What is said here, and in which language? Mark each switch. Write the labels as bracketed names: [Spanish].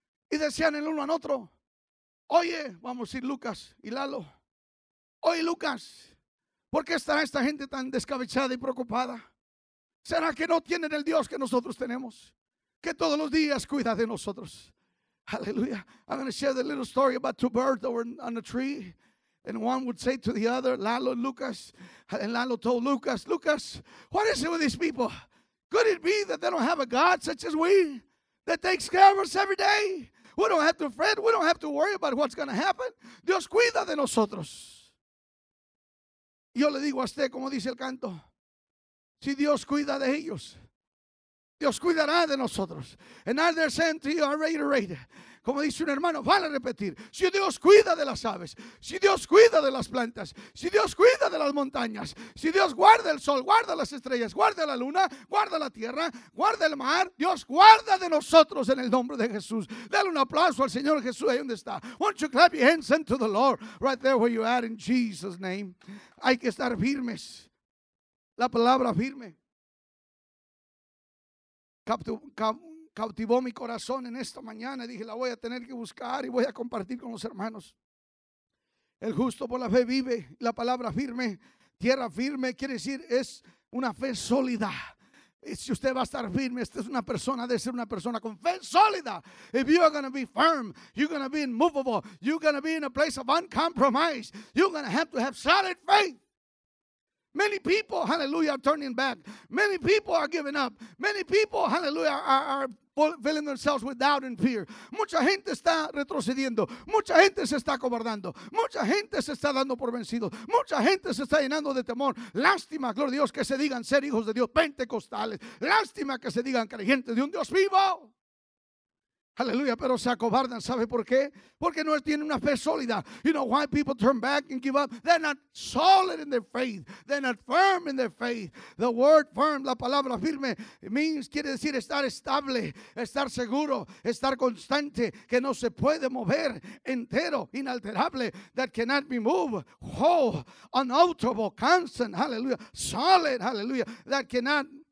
[Spanish] Y decían el uno al otro, oye, vamos a ir Lucas y Lalo, oye Lucas, ¿por qué estará esta gente tan descabechada y preocupada? ¿Será que no tienen el Dios que nosotros tenemos, que todos los días cuida de nosotros? Aleluya. [English] I'm going to share the little story about two birds that were on a tree, and one would say to the other, Lalo and Lucas, and Lalo told Lucas, Lucas, what is it with these people? Could it be that they don't have a God such as we, that takes care of us every day? We don't have to fret. We don't have to worry about what's going to happen. [Spanish] Dios cuida de nosotros. Yo le digo a usted, como dice el canto, si Dios cuida de ellos, Dios cuidará de nosotros. [English] And I dare say to you, I reiterate, [Spanish] como dice un hermano, vale repetir, si Dios cuida de las aves, si Dios cuida de las plantas, si Dios cuida de las montañas, si Dios guarda el sol, guarda las estrellas, guarda la luna, guarda la tierra, guarda el mar, Dios guarda de nosotros en el nombre de Jesús. Dale un aplauso al Señor Jesús, ahí donde está. [English] Won't you clap your hands unto the Lord, right there where you are, in Jesus' name. [Spanish] Hay que estar firmes. La palabra firme cautivó mi corazón en esta mañana. Dije, la voy a tener que buscar y voy a compartir con los hermanos. El justo por la fe vive. La palabra firme, tierra firme, quiere decir es una fe sólida. Si usted va a estar firme, usted es una persona, debe ser una persona con fe sólida. [English] If you are going to be firm, you're going to be immovable, you're going to be in a place of uncompromise, you're going to have solid faith. Many people, hallelujah, are turning back. Many people are giving up. Many people, hallelujah, are filling themselves with doubt and fear. [Spanish] Mucha gente está retrocediendo. Mucha gente se está acobardando. Mucha gente se está dando por vencido. Mucha gente se está llenando de temor. Lástima, gloria a Dios, que se digan ser hijos de Dios pentecostales. Lástima que se digan creyentes de un Dios vivo. Hallelujah, pero se acobardan. ¿Sabe por qué? Porque no tienen una fe sólida. [English] You know why people turn back and give up? They're not solid in their faith. They're not firm in their faith. The word firm, [Spanish] la palabra firme, [English] means, [Spanish] quiere decir estar estable, estar seguro, estar constante, que no se puede mover, entero, inalterable, [English] that cannot be moved, whole, unalterable, constant, hallelujah, solid, hallelujah, that cannot